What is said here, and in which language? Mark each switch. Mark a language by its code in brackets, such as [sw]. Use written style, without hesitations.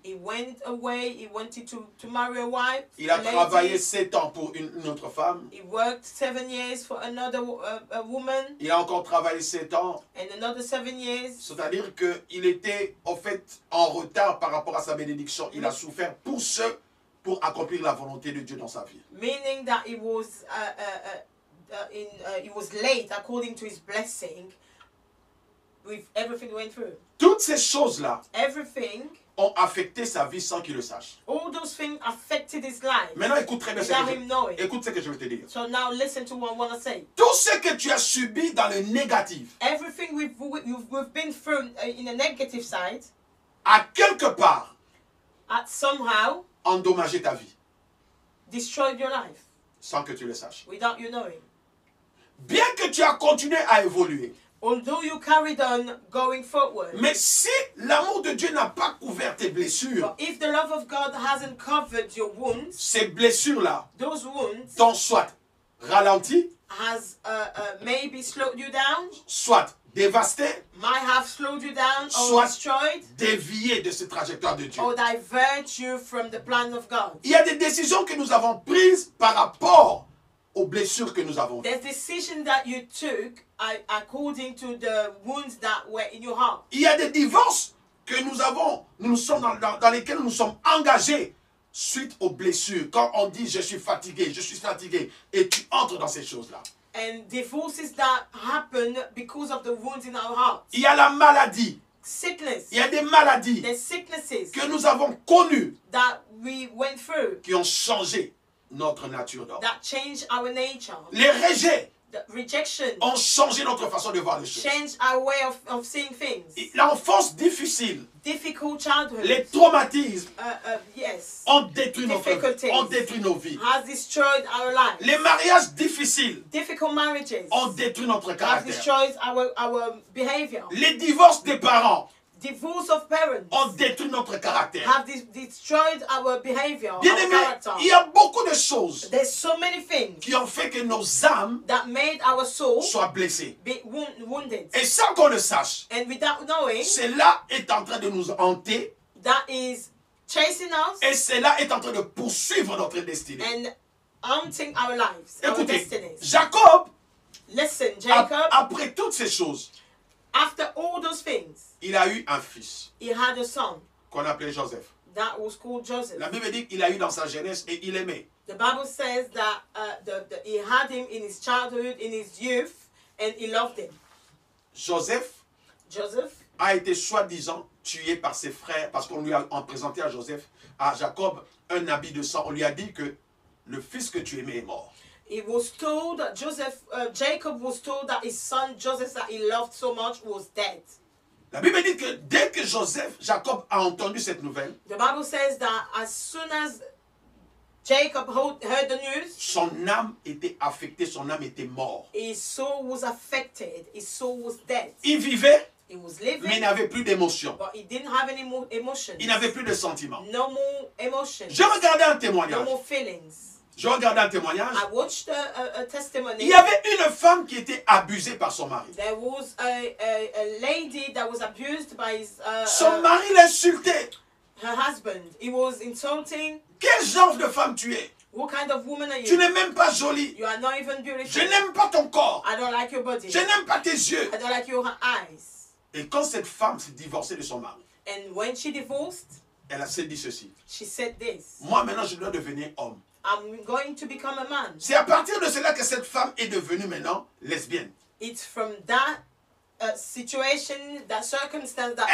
[en] He went away, he wanted to marry a wife. [fr] Il a travaillé 7 ans pour une autre femme. [en] He worked 7 years for another a woman. [fr] Il a encore travaillé 7 ans. [en] And another 7 years. [fr] C'est-à-dire que il était en fait en retard par rapport à sa bénédiction. Il a souffert pour ce pour accomplir la volonté de Dieu dans sa vie. [en] Meaning that he was he was late according to his blessing with everything he went through. [fr] Toutes ces choses-là, [en] everything, [fr] ont affecté sa vie sans qu'il le sache. [en] All those things affected his life. [fr] Maintenant écoute très bien ce que [en] him knowing. [fr] Écoute ce que je vais te dire. [en] So now listen to what I want to say. [fr] Tout ce que tu as subi dans le négatif. [en] Everything we've been through in a negative side. [fr] À quelque part. [en] At somehow. [fr] Endommager ta vie. [en] Destroyed your life. [fr] Sans que tu le saches. [en] Without you knowing. [fr] Bien que tu as continué à évoluer. [en] Although you carried on going forward. [fr] Mais si l'amour de Dieu n'a pas couvert tes blessures. [en] But if the love of God hasn't covered your wounds. [fr] Ces blessures-là. [en] Those wounds. [fr] T'en soit ralenti. [en] Has maybe slowed you down. [fr] Soit dévasté. [en] Might have slowed you down or [fr] soit [en] destroyed, [fr] dévié de cette trajectoire de Dieu. [en] Or divert you from the plan of God. [fr] Il y a des décisions que nous avons prises par rapport aux blessures que nous avons. [en] There's decision that you took according to the wounds that were in your heart. [fr] Il y a des divorces que nous avons, nous sommes dans lesquels nous sommes engagés suite aux blessures. Quand on dit je suis fatigué, et tu entres dans ces choses-là. [en] And divorces that happen because of the wounds in our hearts. [fr] Il y a la maladie. [en] Sickness. [fr] Il y a des maladies. [en] The sicknesses. [fr] Que nous avons connues. [en] That we went through. [fr] Qui ont changé notre nature d'homme. [en] That changed our nature. [fr] Les rejets. [en] The rejection. [fr] Ont changé notre façon de voir les choses. [en] Changed our way of seeing things. [fr] L'enfance difficile. [en] Difficult childhood. [fr] Les traumatismes. [en] Yes. [fr] Ont détruit nos vies. [en] Has destroyed our lives. [fr] Les mariages difficiles. [en] Difficult marriages. [fr] Ont détruit notre caractère. [en] Has destroyed our behavior. [fr] Les divorces des parents. [en] Divorce of parents. [fr] Ont détruit notre caractère. [en] Have destroyed our behavior. [fr] Bien aimé, il y a beaucoup de choses. [en] There's so many things. [fr] Qui ont fait que nos âmes. [en] That made our soul. [fr] Soient blessées. [en] Be wounded. [fr] Et sans qu'on le sache. [en] And without knowing. [fr] Cela est en train de nous hanter. [en] That is chasing us. [fr] Et cela est en train de poursuivre notre destinée. [en] And haunting our lives. [fr] Écoutez, [en] our destinies. [fr] Jacob. [en] Listen, Jacob. [fr] Après toutes ces choses. [en] After all those things. [fr] Il a eu un fils. [en] He had a son. [fr] Qu'on appelait Joseph. [en] That was called Joseph. [fr] La Bible dit qu'il a eu dans sa jeunesse et il aimait. [en] The Bible says that he had him in his childhood, in his youth, and he loved him. [fr] Joseph a été soi-disant tué par ses frères parce qu'on lui a présenté à Joseph, à Jacob, un habit de sang. On lui a dit que le fils que tu aimais est mort. [en] He was told that Jacob was told that his son Joseph that he loved so much was dead. [fr] La Bible dit que dès que Jacob a entendu cette nouvelle, [en] the Bible says that as soon as Jacob heard the news, [fr] son âme était affectée, son âme était morte. [en] His soul was affected, his soul was dead. [fr] Il vivait, [en] He was living, [fr] mais il n'avait plus d'émotion. [en] But he didn't have any more emotions. [fr] Il n'avait plus de sentiments. [en] No more emotions. [fr] Je regardais un témoignage. [en] No more feelings. [fr] Je regardais un témoignage. [en] I watched a testimony. [fr] Il y avait une femme qui était abusée par son mari. [en] There was a lady that was abused by his. [fr] Son mari l'insultait. [en] Her husband. He was insulting. [fr] Quel genre de femme tu es? [en] What kind of woman are you? [fr] Tu n'es même pas jolie. [en] You are not even beautiful. [fr] Je n'aime pas ton corps. [en] I don't like your body. [fr] Je n'aime pas tes yeux. [en] I don't like your eyes. [fr] Et quand cette femme s'est divorcée de son mari, [en] and when she divorced, [fr] elle a dit ceci. [en] She said this. [fr] Moi maintenant je dois devenir homme. [en] I'm going to become a man. [fr] C'est à partir de cela que cette femme est devenue maintenant lesbienne. [en] It's from that situation, that circumstance that